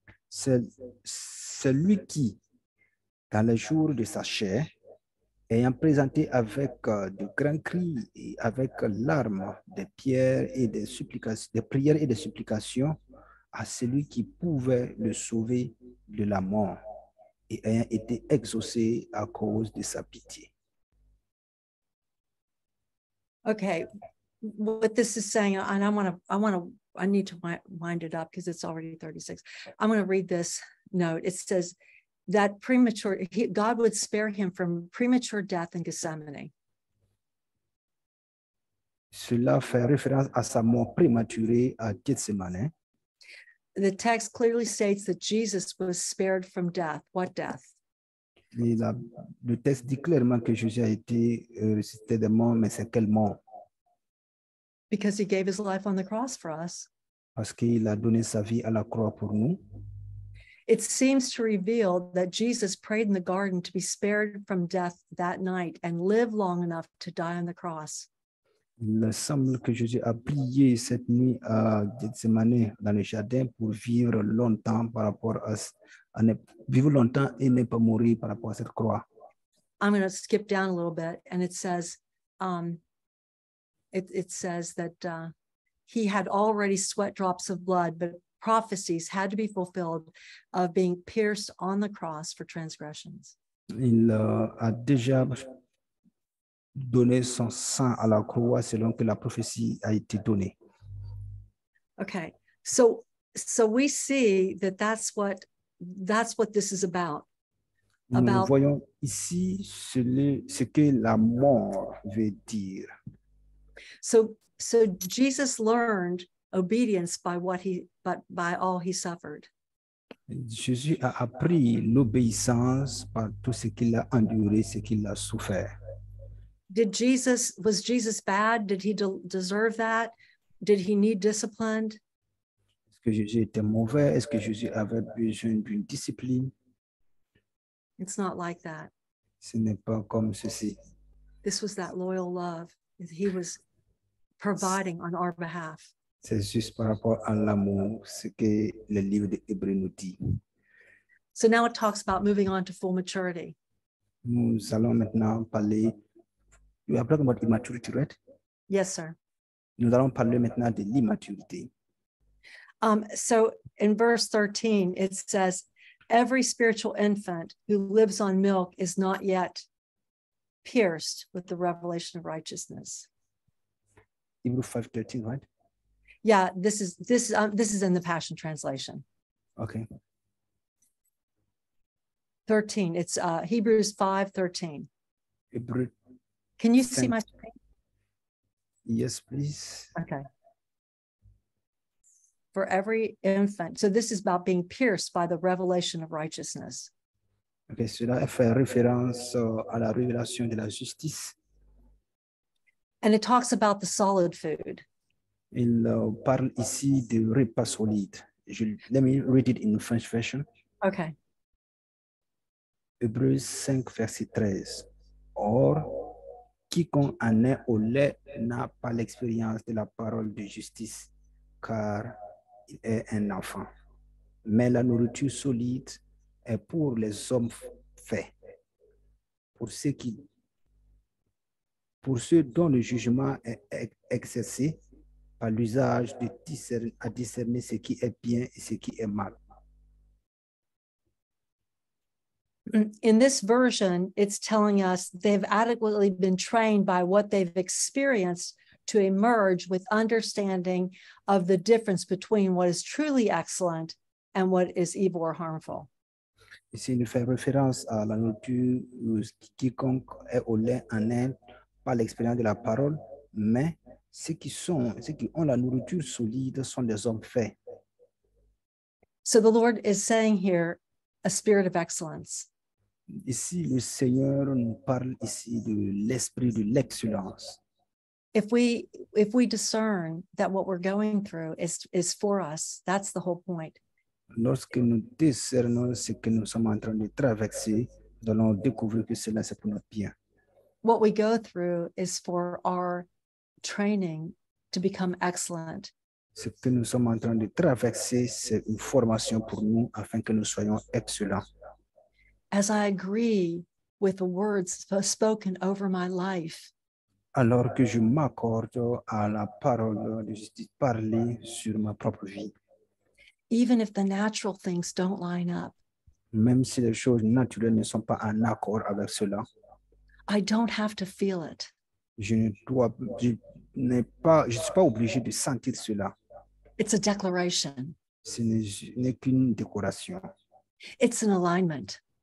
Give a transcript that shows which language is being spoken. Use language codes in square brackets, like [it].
[fr] Celui qui, dans le jour de sa chair, ayant présenté avec de grands cris et avec larmes des pierres et des supplications, des prières et des supplications à celui qui pouvait le sauver de la mort, et ayant été exaucé à cause de sa pitié. [en] Okay. What this is saying, and I need to wind it up because it's already 36. I'm going to read this note. It says that God would spare him from premature death in Gethsemane. [fr] Cela fait référence à sa mort prématurée à Gethsemane. [en] The text clearly states that Jesus was spared from death. What death? [fr] Le texte dit clairement que Jésus a été ressuscité de mort, mais c'est quelle mort? [en] Because he gave his life on the cross for us. [fr] Parce qu'il a donné sa vie à la croix pour nous. [en] It seems to reveal that Jesus prayed in the garden to be spared from death that night and live long enough to die on the cross. [fr] Il semble que Jésus a prié cette nuit à Gethsemane dans le jardin pour vivre longtemps par rapport vivre longtemps et ne pas mourir par rapport à cette croix. [en] I'm going to skip down a little bit, and it says, It says that he had already sweat drops of blood, but prophecies had to be fulfilled of being pierced on the cross for transgressions. [fr] Il a déjà donné son sang à la croix selon que la prophétie a été donnée. [en] Okay, so we see that that's what this is about. [fr] Nous voyons ici ce que la mort veut dire. [en] So Jesus learned obedience by all he suffered. [fr] Jésus a appris l'obéissance par tout ce qu'il a enduré, ce qu'il a souffert. [en] Was Jesus bad? Did he deserve that? Did he need discipline? [fr] Est-ce que Jésus était mauvais? Est-ce que Jésus avait besoin d'une discipline? [en] It's not like that. [fr] Ce n'est pas comme ceci. [en] This was that loyal love. He was providing on our behalf. [fr] C'est juste par rapport à l'amour, ce que le livre de Hébreux nous dit. [en] So now it talks about moving on to full maturity. [fr] Nous allons maintenant parler. [en] You are talking about immaturity, right? Yes, sir. [fr] Nous allons parler maintenant de l'immaturité. [en] So in verse 13, it says, every spiritual infant who lives on milk is not yet pierced with the revelation of righteousness. Hebrew 5:13, right? Yeah, this is in the Passion Translation. Okay. 13. It's Hebrews 5:13. Hebrew. Can you see my screen? Yes, please. Okay. For every infant. So this is about being pierced by the revelation of righteousness. [fr] Okay, cela fait référence à la révélation de la justice. [en] And it talks about the solid food. [fr] Il parle ici de repas solide. [en] Let me read it in the French version. Okay. [fr] Hébreux 5, verset 13. Or, quiconque en est au lait n'a pas l'expérience de la parole de justice, car il est un enfant. Mais la nourriture solide est pour les hommes faits, pour ceux dont le jugement est exercé par l'usage de discerner ce qui est bien et ce qui est mal. [en] In this version, it's telling us they've adequately been trained by what they've experienced to emerge with understanding of the difference between what is truly excellent and what is evil or harmful. [fr] Ici, il fait référence à la nourriture, quiconque est au lait en elle, par l'expérience de la parole, mais ceux qui ont la nourriture solide sont des hommes faits. [en] So the Lord is saying here, a spirit of excellence. [fr] Ici, le Seigneur nous parle ici de l'esprit de l'excellence. [en] If we discern that what we're going through is for us, that's the whole point. [fr] Lorsque nous discernons ce que nous sommes en train de traverser, nous allons découvrir que cela c'est pour notre bien. [en] What we go through is for our training to become excellent. [fr] Ce que nous sommes en train de traverser, c'est une formation pour nous afin que nous soyons excellents. [en] As I agree with the words spoken over my life, [fr] alors que je m'accorde à la parole de justice parlée sur ma propre vie, [en] even if the natural things don't line up, [fr] même si les choses naturelles ne sont pas en accord avec cela, [en] I don't have to feel it. [fr] Je ne suis pas obligé de sentir cela. [en] It's a declaration. [fr] Ce n'est qu'une décoration. [en] It's an alignment.